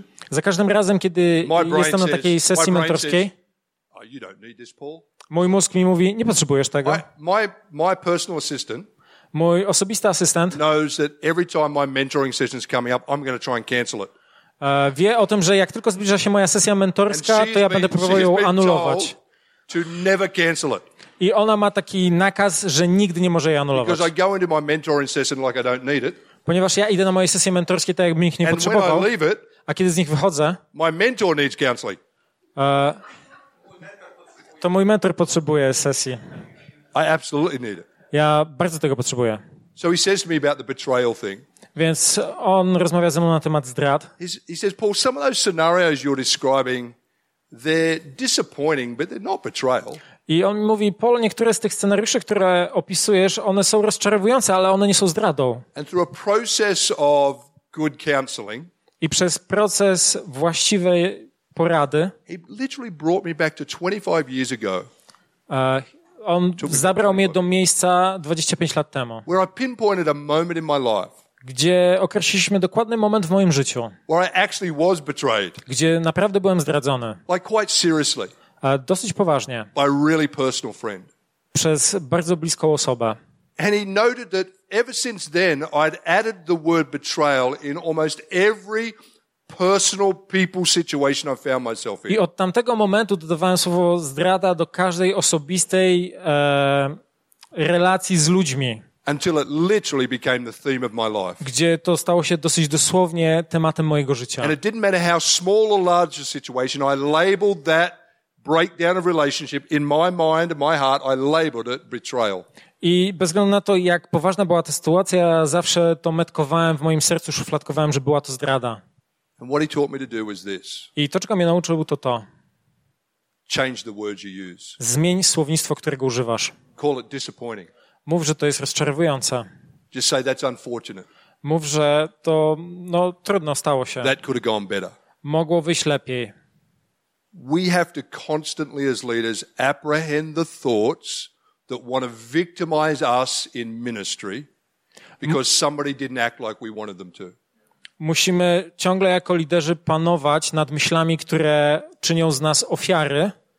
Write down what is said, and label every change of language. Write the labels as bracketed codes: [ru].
[pl] Za każdym razem, kiedy jestem na takiej sesji mentorskiej, [en] you don't need this, Paul. [pl] Mój mózg mi mówi, nie potrzebujesz tego. [en] My personal assistant. [pl] Mój osobisty asystent. [en] Knows that every time my mentoring session is coming up, I'm going to try and cancel it. [pl] Wie o tym, że jak tylko zbliża się moja sesja mentorska, to ja będę próbował ją anulować. [en] To never cancel it. [pl] I ona ma taki nakaz, że nigdy nie może jej anulować. [en] Because I go into my mentoring session like I don't need it. [pl] Ponieważ ja idę na moje sesje mentorskie tak, jakbym ich nie potrzebował. [en] And when I leave it, [pl] a kiedy z nich wychodzę, [en] my mentor needs counseling. [pl] To mój mentor potrzebuje sesji. [en] I absolutely need it. [pl] Ja bardzo tego potrzebuję. [en] So he says to me about the betrayal thing. [pl] Więc on rozmawia ze mną na temat zdrad. [en] He says, Paul, some of those scenarios you're describing, they're disappointing, but they're not betrayal. [pl] I on mówi, Paul, niektóre z tych scenariuszy, które opisujesz, one są rozczarowujące, ale one nie są zdradą. [en] And through a process of good counseling. [pl] I przez proces właściwej porady. [en] He literally brought me back to 25 years ago. [pl] On zabrał mnie do miejsca 25 lat temu. [en] Where I pinpointed a moment in my life. [pl] Gdzie określiliśmy dokładny moment w moim życiu. [en] Where I actually was betrayed. [pl] Gdzie naprawdę byłem zdradzony. [en] Like quite seriously. [pl] Dosyć poważnie. [en] By a really personal friend. [pl] Przez bardzo bliską osobę. [en] And he noted that ever since then I'd added the word betrayal in almost every personal people situation I found myself in. [pl] I od tamtego momentu dodawałem słowo zdrada do każdej osobistej relacji z ludźmi. [en] Until it literally became the theme of my life. [pl] Gdzie to stało się dosyć dosłownie tematem mojego życia. [en] And it didn't matter how small or large a situation, I labeled that breakdown of relationship in my mind and my heart, I labeled it betrayal. [pl] I bez względu na to, jak poważna była ta sytuacja, zawsze to metkowałem w moim sercu, szufladkowałem, że była to zdrada. [en] And what he taught me to do was this. [pl] I to, czego mnie nauczył, to to. [en] Change the words you use. [pl] Zmień słownictwo, którego używasz. [en] Call it disappointing. [pl] Mów, że to jest rozczarowujące. [en] Just say that's unfortunate. [pl] Mów, że to no, trudno stało się. [en] That could have gone better. [pl] Mogło wyjść lepiej. [en] We have to constantly as leaders apprehend the thoughts that want to victimize us in ministry because somebody didn't act like we wanted them to. [pl] Musimy ciągle jako liderzy panować nad myślami, które czynią z nas ofiary.